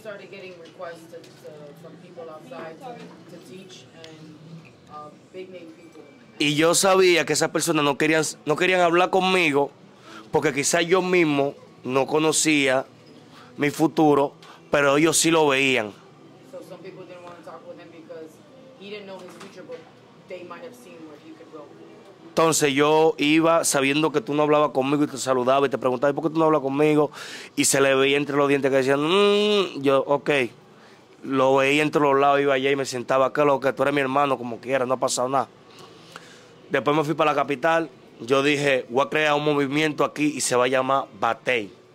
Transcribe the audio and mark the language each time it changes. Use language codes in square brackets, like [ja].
[en] getting requests from people outside to teach and big name people. [es] Y yo sabía que esas personas no querían hablar conmigo porque quizás yo mismo no conocía mi futuro, pero ellos sí lo veían. [en] So some people didn't want to talk with him because he didn't know his future, but they might have seen where he could go. [es] Entonces yo iba sabiendo que tú no hablabas conmigo y te saludaba y te preguntaba, ¿por qué tú no hablas conmigo? Y se le veía entre los dientes que decían, yo, ok. Lo veía entre los lados, iba allá y me sentaba, que lo que tú eres mi hermano, como quieras, no ha pasado nada. Después me fui para la capital, yo dije, voy a crear un movimiento aquí y se va a llamar Batey.